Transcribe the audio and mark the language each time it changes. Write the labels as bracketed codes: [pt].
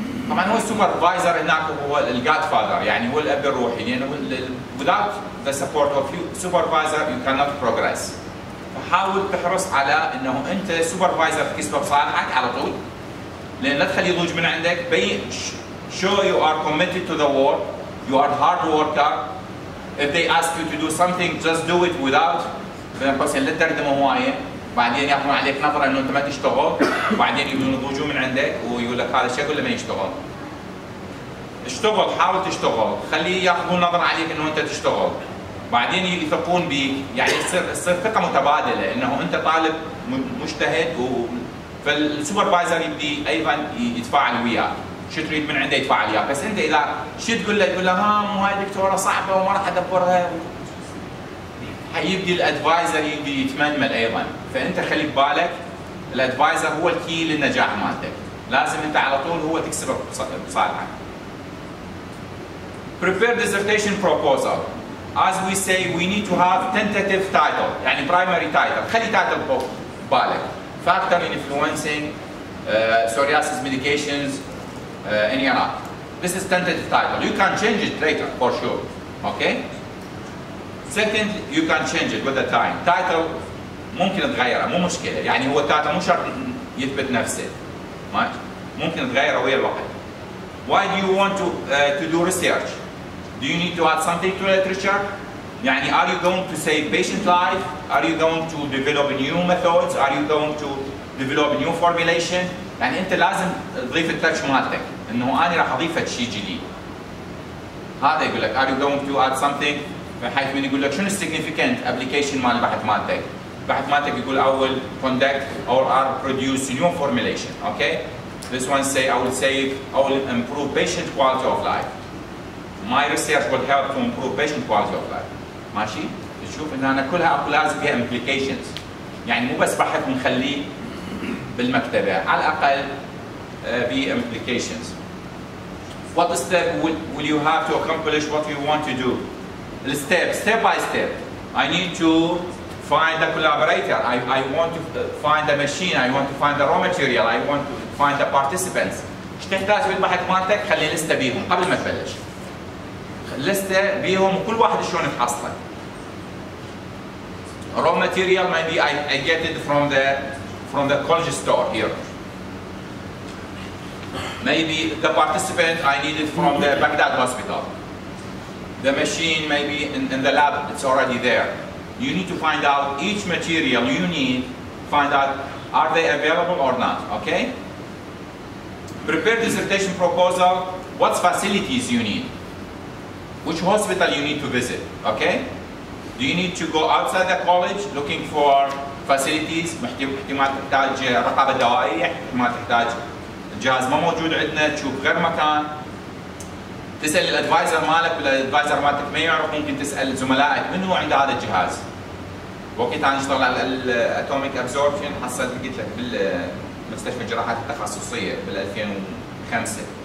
[ar] طبعا هو السوبرفايزر هناك هو الجاد فادر، يعني هو الاب الروحي، لانه [en] without the support of you supervisor you cannot progress. [ar] فحاول تحرص على انه انت سوبرفايزر في كسبه صالحك على طول، لان لا تخليه يضوج من عندك. [en] بين show you are committed to the work, you are hard worker. If they ask you to do something, just do it without. [ar] بعدين بعدين لا تردم هواية. بعدين يأخذون عليك نظرة إنه أنت ما تشتغل. بعدين يبدون يضوجوا من عندك ويقول لك هذا الشيء كله ما يشتغل. اشتغل، حاول تشتغل. خلي يأخذون نظرة عليك إنه أنت تشتغل. بعدين يثقون بيك، يعني يصير ثقة متبادلة إنه أنت طالب مجتهد. فالسوبرفايزر يبدي أيضا يتفاعل وياك. شو تريد من عنده يدفع عليها. بس انت اذا شو تقول له، تقول له ها مو هاي دكتوره صعبه وما راح ادبرها، حيبدي الادفايزر يبدي يتململ ايضا. فانت خلي ببالك الادفايزر هو الكي للنجاح مالتك، لازم انت على طول هو تكسبك بصالحه. [en] Prepare dissertation proposal. As we say, we need to have tentative title. يعني primary title. [ar] خلي title ببالك. [en] Factor influencing psoriasis medications in Iraq. This is tentative title. You can change it later for sure. Okay? Second, you can change it with the time. [ar] Title ممكن تغيره، مو مشكلة. يعني هو title مو شرط يثبت نفسه. ممكن تغيره ويا الوقت. [en] Why do you want to do research? Do you need to add something to literature? يعني are you going to save patient life? Are you going to develop new methods? Are you going to develop new formulation? [ar] يعني انت لازم تضيف التاتش مالتك، انه انا راح اضيف شيء جديد. هذا يقول لك [en] are you going to add something؟ [ar] بحيث من يقول لك شنو السيغنيفيكانت ابلكيشن مال البحث مالتك؟ البحث مالتك يقول [en] I will conduct or are produce new formulation. Okay? This one say I will save, I will improve patient quality of life. My research will help to improve patient quality of life. [ar] ماشي؟ تشوف ان انا كلها لازم فيها implications. يعني مو بس بحث مخليه بالمكتبه، على الاقل في implications. [en] What step will you have to accomplish what you want to do? The step, step by step. I need to find a collaborator. I want to find a machine. I want to find the raw material. I want to find the participants. [ar] ايش تحتاج بالبحث مالتك؟ خلي لسته بيهم قبل ما تبلش. لست بيهم كل واحد شلون يحصله. [en] Raw material maybe I get it from the college store here. Maybe the participant I need it from the Baghdad hospital. The machine maybe in the lab it's already there. You need to find out each material you need, find out are they available or not, okay? Prepare dissertation proposal, what facilities you need? Which hospital you need to visit, okay? Do you need to go outside the college looking for facilities? [ar] احتمال تحتاج رقابة دوائية، احتمال تحتاج جهاز ما موجود عندنا، تشوف غير مكان. تسأل الادفايزر مالك، والادفايزر مالك ما يعرف، ممكن تسأل زملائك من هو عنده هذا الجهاز. وقت انا اشتغل على الاتوميك ابزوربشن حصلت، قلت لك بالمستشفى الجراحات التخصصية بال 2005.